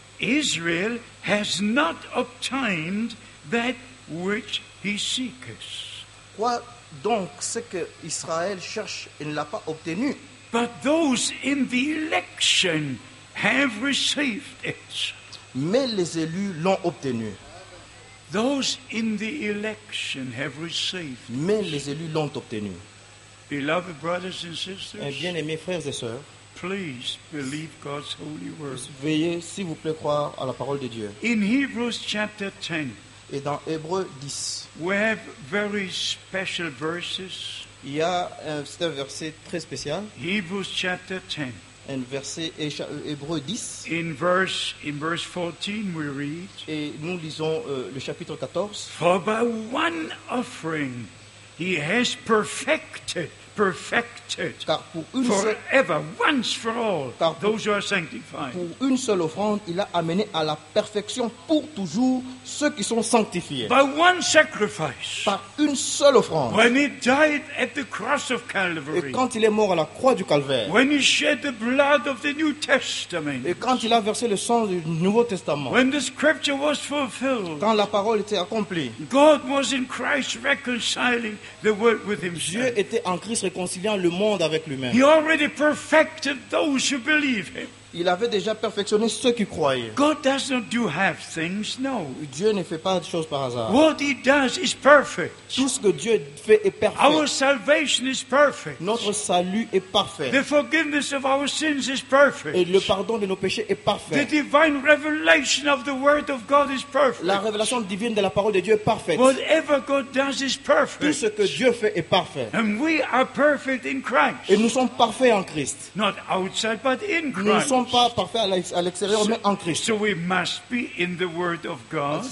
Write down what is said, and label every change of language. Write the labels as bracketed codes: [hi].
[en] Israel has not obtained that which he seeks. [fr] Quoi donc ce que Israël cherche et ne l'a pas obtenu? [en] But those in the election have received it. [fr] Mais les élus l'ont obtenu. [en] Those in the election have received. [fr] Mais les élus l'ont obtenu. [en] Beloved brothers and sisters, [fr] et bien-aimés frères et sœurs, [en] please believe God's holy word. [fr] Veillez s'il vous plaît croire à la parole de Dieu. [en] In Hebrews chapter 10, [fr] et dans Hébreux 10, [en] we have very special verses. [fr] Il y a c'est un verset très spécial. [en] Hebrews chapter 10. [fr] Un verset Hébreux 10. [en] In verse 14 we read, [fr] et nous lisons le chapitre 14. [en] For by one offering he has perfected [fr] car pour une [en] forever, once for all, those who are sanctified. [fr] Pour une seule offrande, il a amené à la perfection pour toujours ceux qui sont sanctifiés. [en] By one sacrifice, [fr] par une seule offrande. [en] When he died at the cross of Calvary, [fr] et quand il est mort à la croix du calvaire. [en] When he shed the blood of the New Testament, [fr] et quand il a versé le sang du Nouveau Testament. [en] When the scripture was fulfilled, [fr] quand la parole était accomplie. [en] God was in Christ reconciling the world with himself. [fr] Dieu était en Christ réconciliant le monde avec lui-même. [en] He already perfected those who believe him. [fr] Il avait déjà perfectionné ceux qui croyaient. [en] God doesn't do half things, no. [fr] Dieu ne fait pas de choses par hasard. [en] What he does is perfect. [fr] Tout ce que Dieu fait est parfait. [en] Our salvation is perfect. [fr] Notre salut est parfait. [en] The forgiveness of our sins is perfect. [fr] Et le pardon de nos péchés est parfait. [en] The divine revelation of the word of God is perfect. [fr] La révélation divine de la parole de Dieu est parfaite. [en] Whatever God does is perfect. [fr] Tout ce que Dieu fait est parfait. [en] And we are perfect in Christ. [fr] Et nous sommes parfaits en Christ. [en] Not outside, but in Christ. [fr] Nous ne sommes pas parfaits à l'extérieur, mais en Christ. [en] So we must be in the word of God.